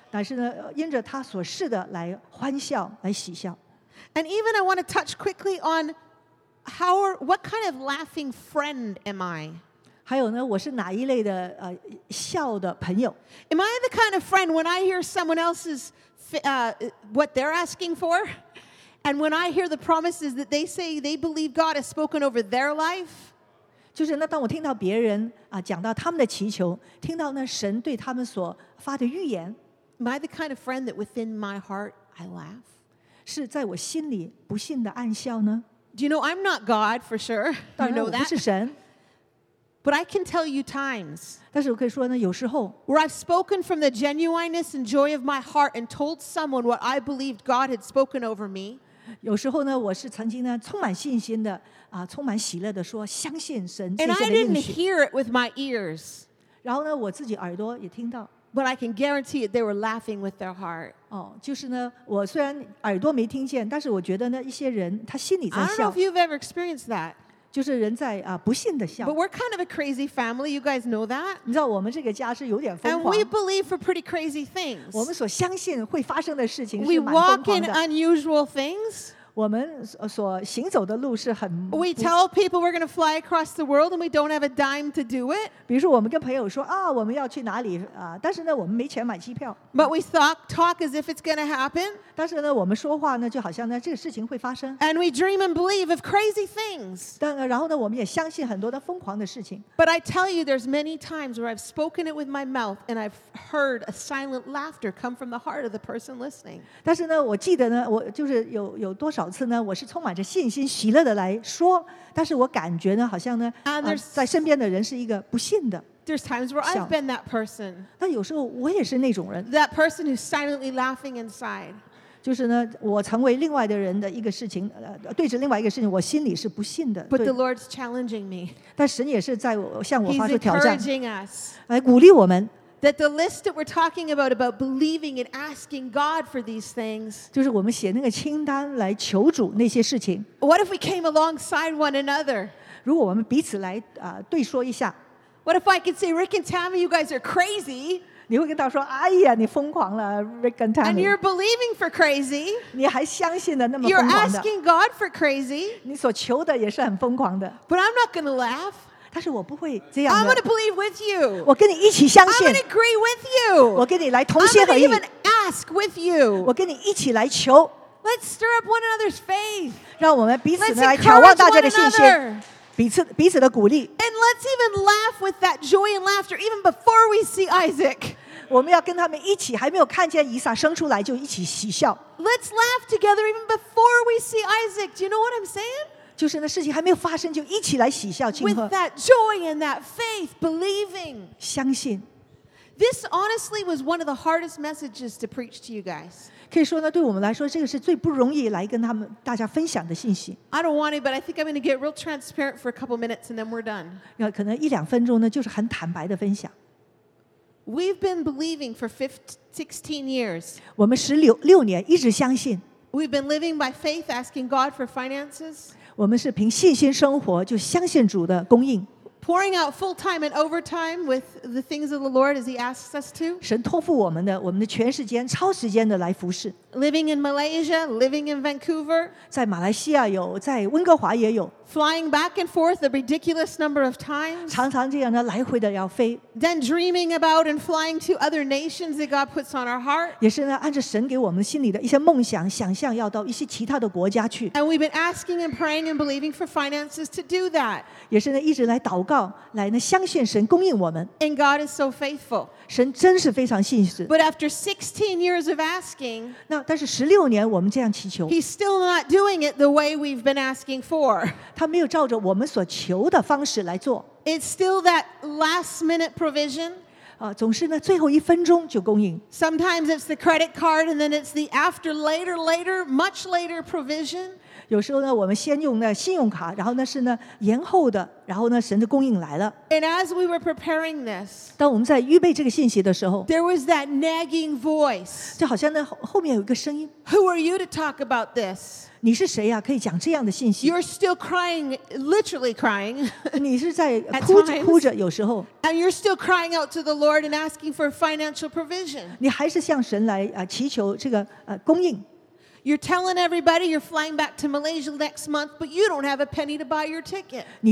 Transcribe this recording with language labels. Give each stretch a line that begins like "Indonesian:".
Chinese: 乃是呢，因着他所示的来欢笑、来喜笑。
English: And even I want to touch quickly on what kind of laughing friend am I?
Chinese: 还有呢，我是哪一类的笑的朋友
English: ？Am I the kind of friend when I hear someone else's what they're asking for, and when I hear the promises that they say they believe God has spoken over their life？
Chinese: 就是那当我听到别人讲到他们的祈求，听到那神对他们所发的预言
English: ，Am I the kind of friend that within my heart I laugh？
Chinese: 是在我心里不信的暗笑呢
English: ？Do you know I'm not God for sure？
Chinese: 当然，我不是神。
English: But I can tell you times.
Chinese: 但是我可以说呢，有时候
English: where I've spoken from the genuineness and joy of my heart and told someone what I believed God had spoken over me.
Chinese: 有时候呢，我是曾经呢充满信心的啊，充满喜乐的说，相信神。
English: And I didn't hear it with my ears.
Chinese: 然后呢，我自己耳朵也听到。
English: But I can guarantee it, they were laughing with their heart.
Chinese: 哦，就是呢，我虽然耳朵没听见，但是我觉得呢，一些人他心里在笑。
English: I don't know if you've ever experienced that.
Chinese: 就是人在不信的笑。
English: But we're kind of a crazy family, you guys know that.
Chinese: 你知道我们这个家是有点疯狂。
English: And we believe for pretty crazy things.
Chinese: 我们所相信会发生的事情是蛮疯狂的。
English: We walk in unusual things.
Chinese: 我们所行走的路是很。
English: We tell people we're going to fly across the world and we don't have a dime to do it.
Chinese: 比如说我们跟朋友说啊，我们要去哪里啊？但是呢，我们没钱买机票。
English: But we talk as if it's going to happen.
Chinese: 但是呢，我们说话呢，就好像呢，这个事情会发生。
English: And we dream and believe of crazy things.
Chinese: 但然后呢，我们也相信很多的疯狂的事情。
English: But I tell you, there's many times where I've spoken it with my mouth and I've heard a silent laughter come from the heart of the person listening.
Chinese: 但是呢，我记得呢，我就是有多少次呢，我是充满着信心、喜乐的来说，但是我感觉呢，好像呢，在身边的人是一个不信的。
English: There's times where I've been that person.
Chinese: 但有时候我也是那种人,
English: that person who's silently laughing inside.
Chinese: 就是呢,我成为另外的人的一个事情,对着另外一个事情,我心里是不信的,
English: but the Lord's challenging me.
Chinese: 但神也是在向我发出挑战,
English: He's encouraging us.
Chinese: 来鼓励我们,
English: that the list that we're talking about believing and asking God for these things,
Chinese: 就是我们写那个清单来求主那些事情,
English: what if we came alongside one another?
Chinese: 如果我们彼此来, 对说一下,
English: what if I could say, Rick and Tammy, you guys are crazy?
Chinese: 你会跟他说, 哎呀,你疯狂了, Rick and Tammy.
English: And you're believing for crazy.
Chinese: 你还相信的那么疯狂的,
English: you're asking God for crazy.
Chinese: 你所求的也是很疯狂的,
English: but I'm not going to laugh.
Chinese: 但是我不会这样的,
English: I'm going to believe with you.
Chinese: 我跟你一起相信,
English: I'm going to agree with you.
Chinese: 我跟你来同心合意,
English: I'm going to even ask with you.
Chinese: 我跟你一起来求,
English: let's stir up one another's faith.
Chinese: 让我们彼此来挑旺大家的信心, 彼此的鼓励,
English: and let's even laugh with that joy and laughter even before we see Isaac.
Chinese: 我们要跟他们一起, 还没有看见以撒生出来就一起喜笑,
English: let's laugh together even before we see Isaac. Do you know what I'm saying?
Chinese: 就是那事情还没有发生就一起来喜笑,
English: with that joy and that faith, believing,
Chinese: 相信.
English: This honestly was one of the hardest messages to preach to you guys.
Chinese: 可以说呢, 对我们来说, 这个是最不容易来跟他们大家分享的信息。
English: I don't want it, but I think I'm going to get real transparent for a couple minutes and then we're done.
Chinese: 可能一两分钟呢, 就是很坦白的分享。
English: We've been believing for 16 years.
Chinese: 我们16年, 一直相信。
English: We've been living by faith, asking God for finances.
Chinese: 我们是凭信心生活, 就相信主的供应。
English: Pouring out full time and overtime with the things of the Lord as He asks us to.
Chinese: 神托付我们的, 我们的全时间, 超时间的来服侍。
English: Living in Malaysia, living in Vancouver.
Chinese: 在马来西亚有, 在温哥华也有。
English: Flying back and forth a ridiculous number of times.
Chinese: 常常这样的, 来回的要飞。
English: Then dreaming about and flying to other nations that God puts on our heart.
Chinese: 也是呢, 按着神给我们心里的一些梦想, 想象要到一些其他的国家去。
English: And we've been asking and praying and believing for finances to do that.
Chinese: 也是呢, 一直来祷告, 来呢, 相信神供应我们。
English: And God is so faithful.
Chinese: 神真是非常信实。
English: But after 16 years of asking,
Chinese: 那但是16年我们这样祈求,
English: He's still not doing it the way we've been asking for.
Chinese: 他没有照着我们所求的方式来做。
English: It's still that last minute provision.
Chinese: 总是呢最后一分钟就供应。
English: Sometimes it's the credit card and then it's the after later, much later provision.
Chinese: 有时候呢我们先用那信用卡, 然后呢是呢, 延后的, 然后呢神的供应来了。
English: And as we were preparing this,
Chinese: 当我们在预备这个信息的时候,
English: there was that nagging voice.
Chinese: 就好像呢后面有一个声音,
English: Who are you to talk about this?
Chinese: 你是谁啊, 可以讲这样的信息?
English: You're still crying, literally crying.
Chinese: 你是在哭着, 有时候,
English: and you're still crying out to the Lord and asking for financial provision.
Chinese: 你还是向神来, 祈求这个, 供应。
English: You're telling everybody you're flying back to Malaysia next month, but you don't have a penny to buy your ticket.